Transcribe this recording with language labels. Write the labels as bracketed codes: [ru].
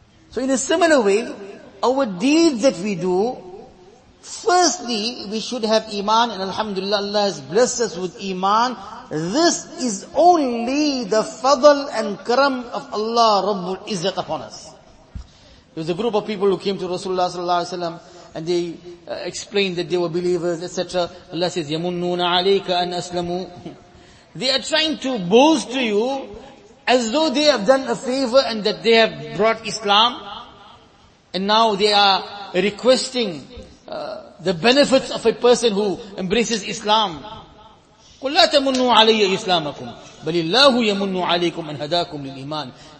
[en] So in a similar way, our deeds that we do, firstly we should have iman, and alhamdulillah Allah has blessed us with iman. This is only the fadl and karam of Allah Rabbul Izzat upon us. There was a group of people who came to Rasulullah sallallahu alaihi wasallam, and they explained that they were believers, etc. Allah says, [ar] يَمُنُّونَ عَلَيْكَ أَنْ أَسْلَمُوا. [en] They are trying to boast to you as though they have done a favor and that they have brought Islam. And now they are requesting the benefits of a person who embraces Islam. [ar] قُلْ لَا تَمُنُّوا عَلَيَّ إِسْلَامَكُمْ بَلِ اللَّهُ يَمُنُّ عَلَيْكُمْ أَنْ هَدَاكُمْ لِلْإِيمَانِ.